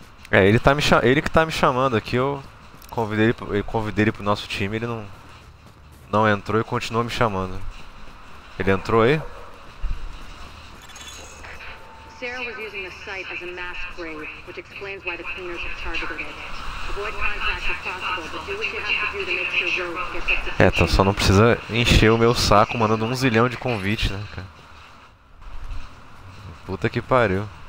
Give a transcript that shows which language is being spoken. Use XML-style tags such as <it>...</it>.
<pt>É, ele que tá me chamando aqui, eu convidei ele pro nosso time, ele não entrou e continua me chamando. Ele entrou aí?</pt> <en>Sarah was using the site as a mass grave, which explains why the cleaners have targeted it. Avoid contact if possible, but do what you have to do to make sure Rogue gets executed.</en> <pt>É, então só não precisa encher o meu saco mandando um zilhão de convite, né, cara? Puta que pariu.</pt>